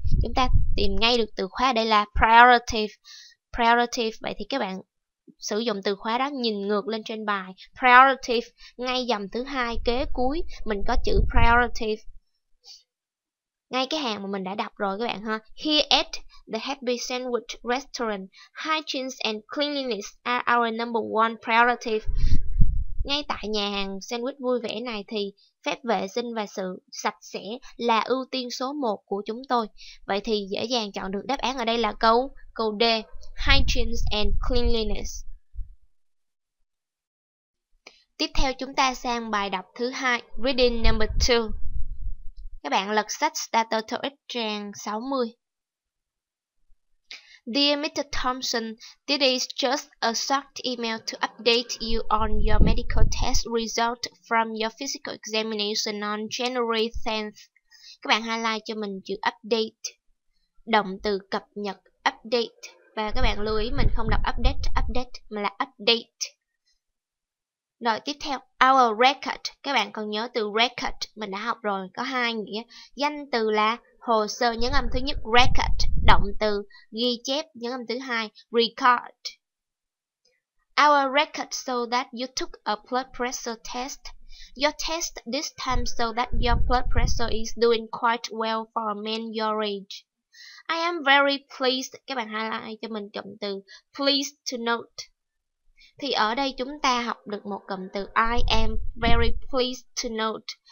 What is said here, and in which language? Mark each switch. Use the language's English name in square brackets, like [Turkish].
[Vietnamese] Chúng ta tìm ngay được từ khóa đây là priority. Vậy thì các bạn sử dụng từ khóa đó, nhìn ngược lên trên bài, priority ngay dòng thứ hai kế cuối mình có chữ priority, ngay cái hàng mà mình đã đọc rồi các bạn ha. [English] Here at the Happy Sandwich Restaurant, hygiene and cleanliness are our number one priority. [Vietnamese] Ngay tại nhà hàng sandwich vui vẻ này thì phép vệ sinh và sự sạch sẽ là ưu tiên số 1 của chúng tôi. Vậy thì dễ dàng chọn được đáp án ở đây là câu D, [English] hygiene and cleanliness. [Vietnamese] Tiếp theo chúng ta sang bài đọc thứ 2, [English] reading number 2. [Vietnamese] Các bạn lật sách Starter Toast trang 60. [English] Dear Mr. Thompson, this is just a short email to update you on your medical test result from your physical examination on January 10th. [Vietnamese] Các bạn highlight cho mình chữ update, động từ cập nhật, update. Và các bạn lưu ý mình không đọc update, mà là update. Rồi tiếp theo, [English] our record. [Vietnamese] Các bạn còn nhớ từ record, mình đã học rồi, có hai nghĩa. Danh từ là hồ sơ, nhấn âm thứ nhất record, động từ ghi chép, nhấn âm thứ hai record. [English] Our record show that you took a blood pressure test. Your test this time show that your blood pressure is doing quite well for a man your age. I am very pleased. [Vietnamese] Các bạn highlight cho mình cụm từ pleased to note. Thì ở đây chúng ta học được một cụm từ [English] I am very pleased to note.